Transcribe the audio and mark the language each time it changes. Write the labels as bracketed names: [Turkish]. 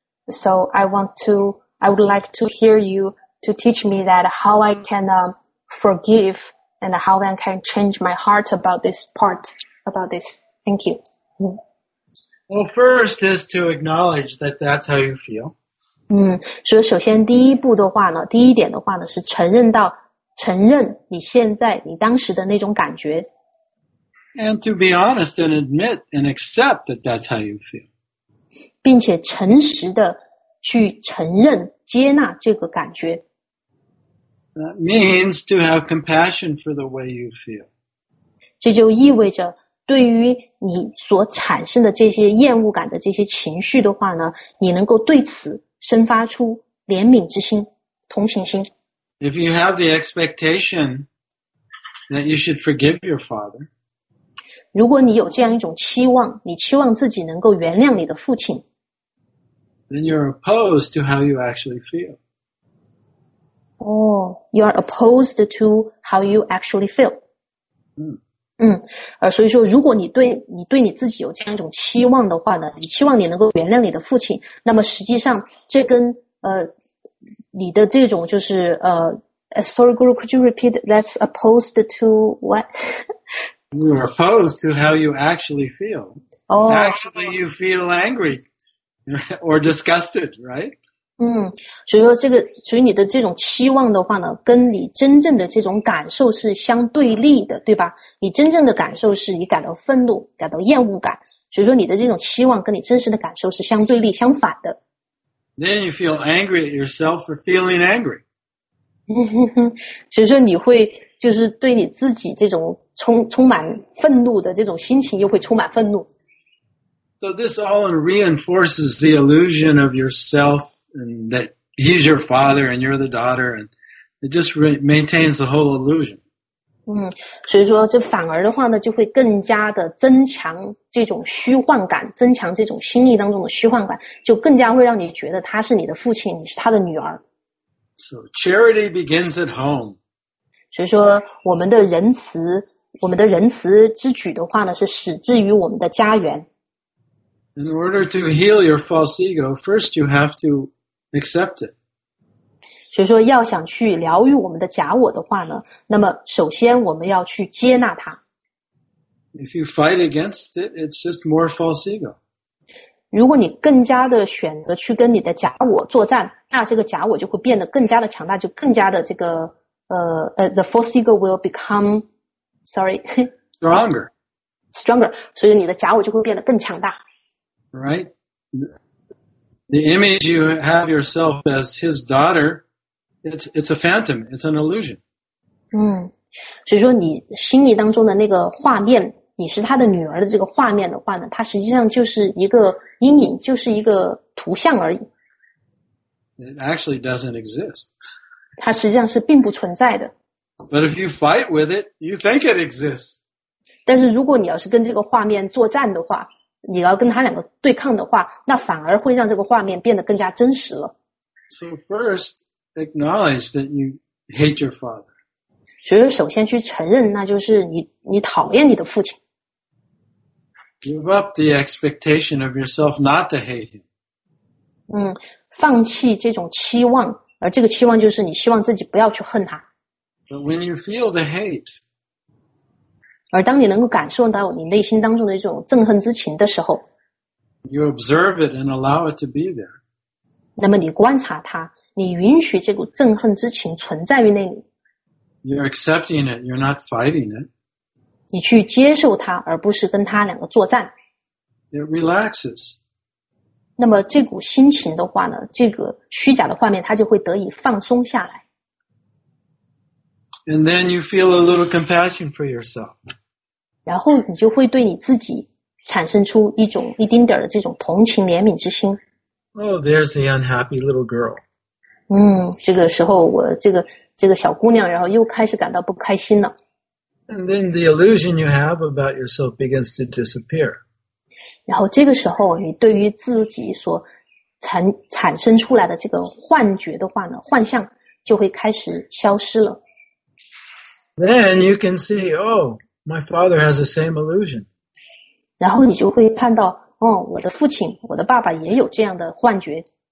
[English] So I would like to hear you to teach me that how I can forgive and how I can change my heart about this part, about this. Thank you. Well, first is to acknowledge that that's how you feel. [Chinese] 所以首先第一步的话呢，第一点的话呢，是承认到承认你现在你当时的那种感觉。 [English] And to be honest and admit and accept that that's how you feel. [Chinese] 并且诚实的去承认接纳这个感觉。 [English] That means to have compassion for the way you feel. [Chinese] 这就意味着对于你所产生的这些厌恶感的这些情绪的话呢，你能够对此生发出怜悯之心，同情心。 [English] If you have the expectation that you should forgive your father, [Chinese] 如果你有这样一种期望，你期望自己能够原谅你的父亲， [English] then you're opposed to how you actually feel. Oh, you are opposed to how you actually feel. [Chinese] 所以说如果你对你自己有这样一种期望的话呢，你期望你能够原谅你的父亲，那么实际上这跟你的这种就是 [English] sorry Guru, could you repeat that's opposed to what? You're opposed to how you actually feel. Oh. Actually you feel angry or disgusted, right? [Chinese] 所以说这个所以你的这种期望的话呢跟你真正的这种感受是相对立的对吧你真正的感受是你感到愤怒感到厌恶感所以说你的这种期望跟你真实的感受是相对立相反的。 [English] Then you feel angry at yourself for feeling angry. [Chinese] 所以说你会就是对你自己这种充满愤怒的这种心情又会充满愤怒。 [English] So this all reinforces the illusion of yourself and that he's your father and you're the daughter and it just maintains the whole illusion. [Chinese] 所以说这反而的话呢就会更加的增强这种虚幻感增强这种心意当中的虚幻感就更加会让你觉得他是你的父亲你是他的女儿。 [English] So, charity begins at home. [Chinese] 所以说我们的仁慈之举的话呢是始至于我们的家园。 [English] In order to heal your false ego, first you have to accept it. [Chinese] 所以说要想去疗愈我们的假我的话呢那么首先我们要去接纳它。 [English] If you fight against it, it's just more false ego. [Chinese] 如果你更加的选择去跟你的假我作战那这个假我就会变得更加的强大就更加的这个 [English] the false ego will become, stronger. Stronger. [Chinese] 所以你的假我就会变得更强大。 [English] Right? The image you have yourself as his daughter,It's a phantom. It's an illusion. [Chinese] 所以说你心里当中的那个画面，你是他的女儿的这个画面的话呢，它实际上就是一个阴影，就是一个图像而已。 [English] It actually doesn't exist. [Chinese] 它实际上是并不存在的。 [English] But if you fight with it, you think it exists. [Chinese] 但是如果你要是跟这个画面作战的话，你要跟他两个对抗的话，那反而会让这个画面变得更加真实了。 [English] So first. Acknowledge that you hate your father. [Chinese] 所以首先去承认那就是你讨厌你的父亲。 [English] Give up the expectation of yourself not to hate him. [Chinese] 放弃这种期望，而这个期望就是你希望自己不要去恨他。 [English] But when you feel the hate, [Chinese] 而当你能够感受到你内心当中的这种憎恨之情的时候， [English] you observe it and allow it to be there. [Chinese] 那么你观察它，你允许这股憎恨之情存在于那里。 [English] You're accepting it, you're not fighting it. [Chinese] 你去接受它，而不是跟它两个作战。 [English] It relaxes. [Chinese] 那么这股心情的话呢，这个虚假的画面它就会得以放松下来。 [English] And then you feel a little compassion for yourself. [Chinese] 然后你就会对你自己产生出一种一丁点的这种同情怜悯之心。 [English] Oh, there's the unhappy little girl. [Chinese] 这个时候我这个小姑娘然后又开始感到不开心了。 [English] And then the illusion you have about yourself begins to disappear. [Chinese] 然后这个时候你对于自己所产生出来的这个幻觉的话呢，幻象就会开始消失了。 [English] Then you can see, oh, my father has the same illusion. [Chinese] 然后你就会看到，哦，我的父亲，我的爸爸也有这样的幻觉。